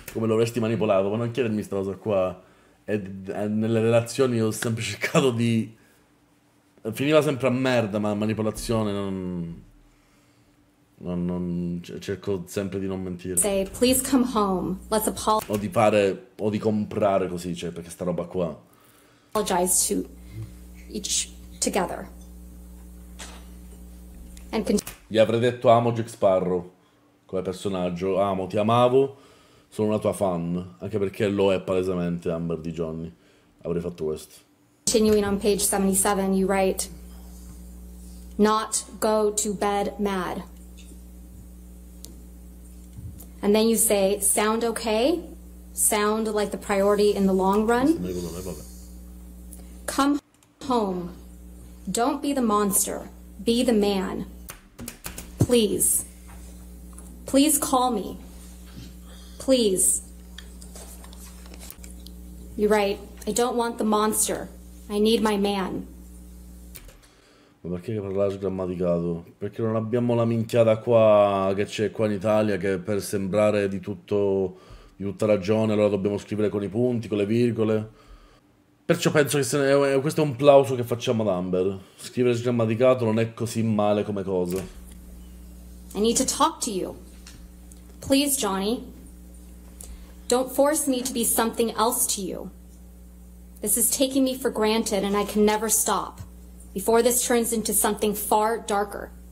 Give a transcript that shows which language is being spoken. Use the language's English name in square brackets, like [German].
[Italian] Come lo avresti manipolato? Ma non chiedermi sta cosa qua. E nelle relazioni ho sempre cercato di... Finiva sempre a merda, ma manipolazione non... Cerco sempre di non mentire. [English] Say, please come home. Let's apologize. [Italian] O di fare... O di comprare così, cioè, perché sta roba qua. [English] Apologize to each together. And [Italian] gli avrei detto amo Jack Sparrow. Come personaggio, amo, ti amavo, sono una tua fan, anche perché lo è palesemente Amber di Johnny. Avrei fatto questo. [English] Continuing on page 77, you write, not go to bed mad. And then you say, sound okay? Sound like the priority in the long run? Come home. Don't be the monster. Be the man. Please. Please call me. Please. You're right. I don't want the monster. I need my man. [Italian] Ma perché parlare sgrammaticato? Perché non abbiamo la minchiata qua che c'è qua in Italia che per sembrare di tutta ragione allora dobbiamo scrivere con i punti, con le virgole. Perciò penso che questo è un plauso che facciamo ad Amber. Scrivere sgrammaticato non è così male come cosa. [English] I need to talk to you. Please, Johnny, don't force me to be something else to you. This is taking me for granted and I can never stop before this turns into something far darker.